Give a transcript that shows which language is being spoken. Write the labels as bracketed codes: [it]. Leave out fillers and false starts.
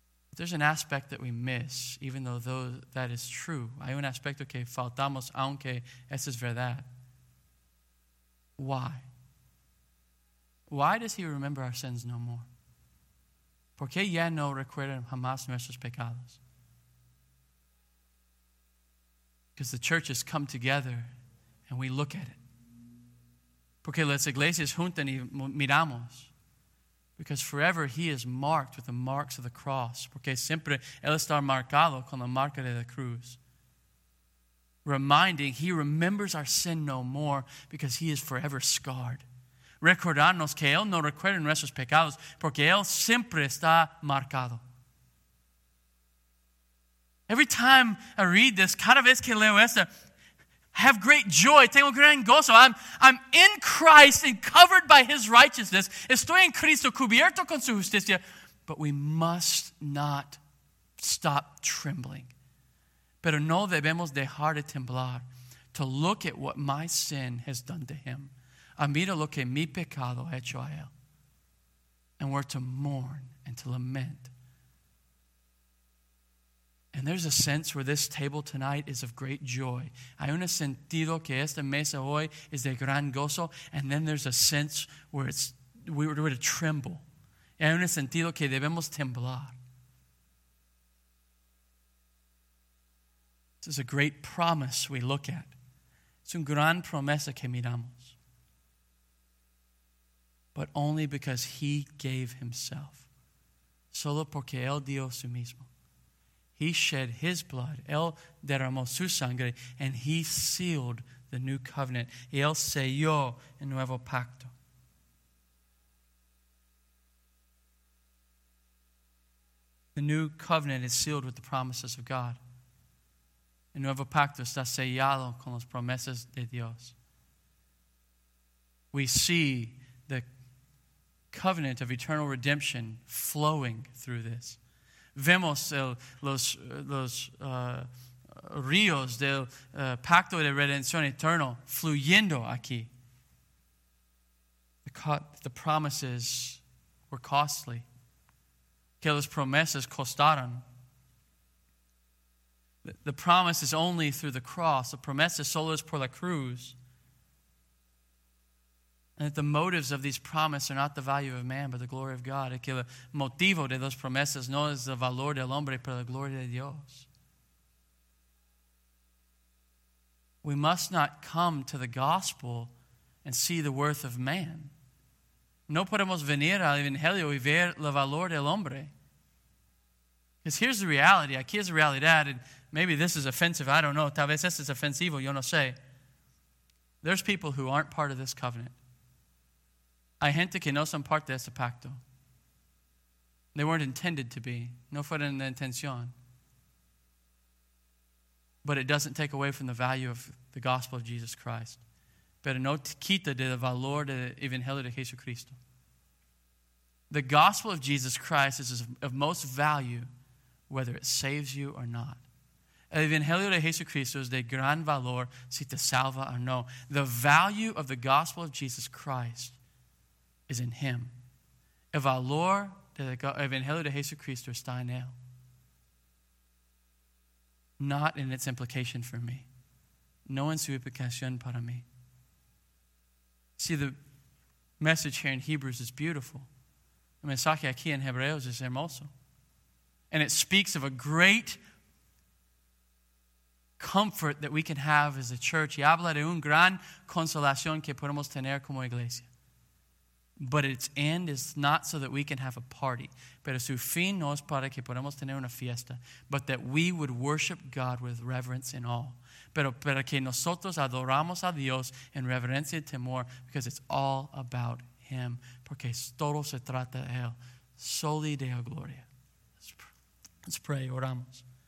[en] But there's an aspect that we miss, even though that is true. [es] Hay un aspecto que faltamos, aunque eso es verdad. [en] Why? Why does he remember our sins no more? [es] Porque ya no recuerda jamás nuestros pecados. [en] Because the churches come together and we look at it. [es] Porque las iglesias juntan y miramos. [en] Because forever he is marked with the marks of the cross. [es] Porque siempre él está marcado con la marca de la cruz. [en] Reminding, he remembers our sin no more because he is forever scarred. [es] Recordarnos que él no recuerda nuestros pecados porque él siempre está marcado. [en] Every time I read this, [es] cada vez que leo esto, [en] I have great joy. [es] Tengo gran gozo. [en] I'm in Christ and covered by his righteousness. [es] Estoy en Cristo, cubierto con su justicia. [en] But we must not stop trembling. [es] Pero no debemos dejar de temblar [en] to look at what my sin has done to him. [es] A mira lo que mi pecado ha hecho a él. [en] and we're to mourn and to lament. And there's a sense where this table tonight is of great joy. [es] Hay un sentido que esta mesa hoy es de gran gozo. [en] And then there's a sense where it's we're to tremble. [es] Hay un sentido que debemos temblar. [en] This is a great promise we look at. [es] Es una gran promesa que miramos. [en] But only because he gave himself. [es] Solo porque él dio su mismo. [en] He shed his blood. [es] Él derramó su sangre. [en] And he sealed the new covenant. [es] Y él selló el nuevo pacto. [en] The new covenant is sealed with the promises of God. [es] El nuevo pacto está sellado con las promesas de Dios. [en] We see the covenant of eternal redemption flowing through this. [es] Vemos los ríos del pacto de redención eterno fluyendo aquí. [en] The promises were costly. [es] Que las promesas costaron. [en] The promise is only through the cross. The [es] promesa solo es por la cruz. [en] And that the motives of these promises are not the value of man, but the glory of God. [es] Que el motivo de las promesas no es el valor del hombre, pero la gloria de Dios. [en] We must not come to the gospel and see the worth of man. [es] No podemos venir al evangelio y ver el valor del hombre. [en] Because here's the reality. [es] Aquí es la realidad. [en] And maybe this is offensive. I don't know. [es] Tal vez esto es ofensivo. Yo no sé. [en] There's people who aren't part of this covenant. [es] Hay gente que no son parte de este pacto. [en] They weren't intended to be. No fueron la intención. But it doesn't take away from the value of the gospel of Jesus Christ. [es] Pero no te quita del valor del evangelio de Jesucristo. [en] The gospel of Jesus Christ is of most value whether it saves you or not. [es] El evangelio de Jesucristo es de gran valor si te salva o no. [en] The value of the gospel of Jesus Christ is in him. [es] El valor del evangelio de Jesucristo está en él. [en] Not in its implication for me. [es] No en su implicación para mí. [en] See, the message here in Hebrews is beautiful. [es] El mensaje aquí en Hebreos es hermoso. [en] And it speaks of a great comfort that we can have as a church. [es] Y habla de una gran consolación que podemos tener como iglesia. [en] But its end is not so that we can have a party. [es] Pero su fin no es para que podamos tener una fiesta. [en] But that we would worship God with reverence and awe. [es] Pero para que nosotros adoramos a Dios en reverencia y temor. [en] Because it's all about him. [es] Porque todo se trata de él. [la] Soli Deo gloria. [en] Let's pray. [es] Oramos.